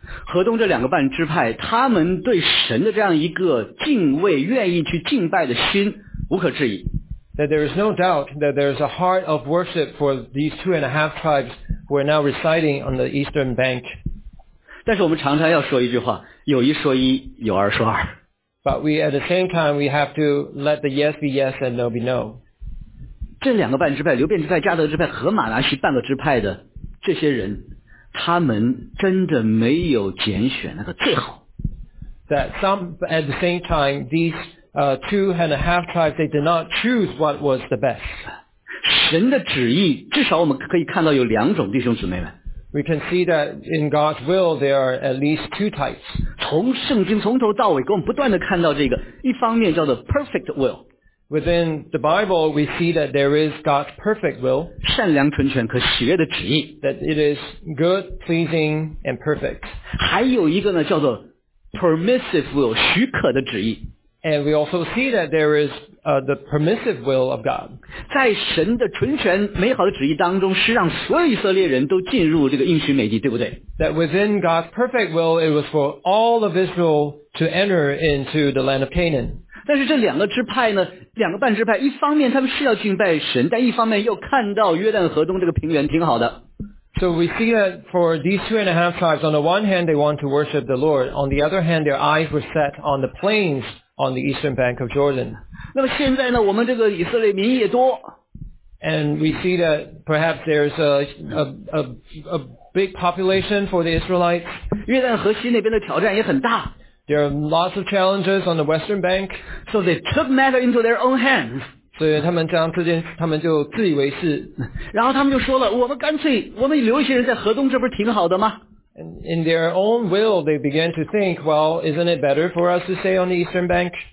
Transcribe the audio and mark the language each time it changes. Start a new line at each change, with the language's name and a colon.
Chinese: 河东这两个半支派，他们对神的这样一个敬畏、愿意去敬拜的心，无可置疑。
English: That there is no doubt that there is a heart of worship for these two and a half tribes who are now residing on the eastern bank.
Chinese: 但是我们常常要说一句话，有一说一，有二说二。
English: But we at the same time we have to let the yes be yes and no be no.
Chinese: 这两个半支派，流便支派、加德支派和马拿西半个支派的这些人，他们真的没有拣选那个最好。
English: That some at the same time these two and a half tribes they did not choose what was the best.
Chinese: 神的旨意，至少我们可以看到有两种弟兄姊妹们。
English: We can see that in God's will there are at least two types.
Chinese: 从圣经从头到尾，给我们不断的看到这个，一方面叫做
English: perfect will. Within the Bible, we see that there is God's perfect will.
Chinese: 善良纯全可喜悦的旨意。
English: That it is good, pleasing, and perfect.
Chinese: 还有一个呢，叫做
English: permissive will,
Chinese: 许可的旨意。
English: And we also see that there is the permissive will of God.
Chinese: 在神的纯全美好的旨意当中，是让所有以色列人都进入这个应许美地，对不对？
English: That within God's perfect will, it was for all of Israel to enter into the land of Canaan.
Chinese: 但是这两个支派呢，两个半支派，一方面他们是要敬拜神，但一方面又看到约旦河东这个平原挺好的。
English: So we see that for these two and a half tribes, on the one hand they want to worship the Lord, on the other hand their eyes were set on the plains on the eastern bank of Jordan.
Chinese: 那么现在呢，我们这个以色列民也多。
English: And we see that perhaps there's a big population for the Israelites.
Chinese: 约旦河西那边的挑战也很大。
English: There are lots of challenges on the western bank. So they took matter into their own hands.
Chinese: 所以他们这样之间，他们就自以为是。然后他们就说了，我们干脆，我们留一些人在河东，这不是挺好的吗？
English: In their own will, they began to think, well, isn't it better for us to stay on the eastern bank?